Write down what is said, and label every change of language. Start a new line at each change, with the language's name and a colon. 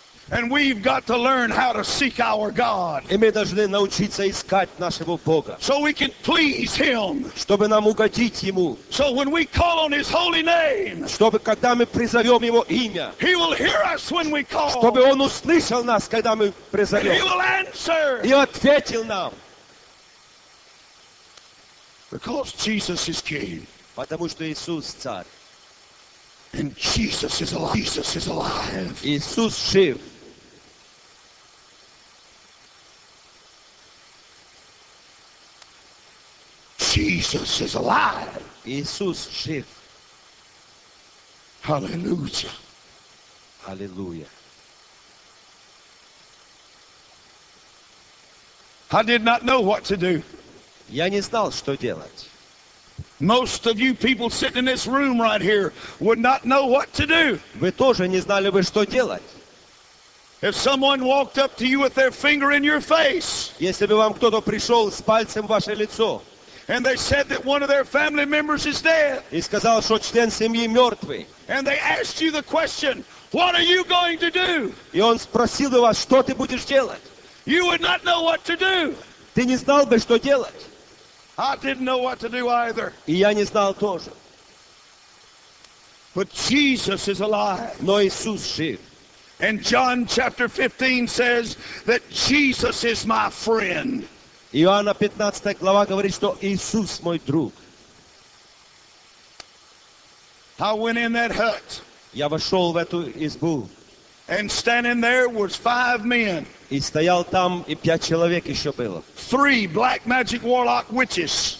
English: And we've got to learn how to seek our God.
Russian: И мы должны научиться искать нашего Бога.
English: So we can please him.
Russian: Чтобы нам угодить ему.
English: So when we call on his holy name.
Russian: Чтобы когда мы призовем его имя.
English: He will hear us when we call.
Russian: Чтобы он услышал нас, когда мы призовем.
English: He will answer.
Russian: И ответил нам.
English: Because Jesus is king.
Russian: Потому что Иисус царь.
English: And Jesus is alive. Jesus is alive.
Russian: Иисус жив.
English: Jesus is alive.
Russian: Иисус жив.
English: Hallelujah. Hallelujah. I did not know what to do.
Russian: Я не знал, что делать.
English: Most of you people sitting in this room right here would not know what to do.
Russian: Вы тоже не знали бы, что делать.
English: If someone walked up to you with their finger in your face.
Russian: Если бы вам кто-то пришел с пальцем в ваше лицо.
English: And they said that one of their family members is dead.
Russian: И сказал, что член семьи мертвый.
English: And they asked you the question, "What are you going to do?"
Russian: И он спросил у вас, что ты будешь делать?
English: You would not know what to do.
Russian: Ты не знал бы, что делать.
English: I didn't know what to do either.
Russian: И я не знал тоже.
English: But Jesus is alive.
Russian: Но Иисус жив.
English: And John chapter 15 says that Jesus is my friend.
Russian: Иоанна 15 глава говорит, что Иисус мой друг.
English: I went in that hut.
Russian: Я вошел в эту избу.
English: And standing there was five men.
Russian: И стоял там, и пять человек еще было.
English: Three black magic warlock witches.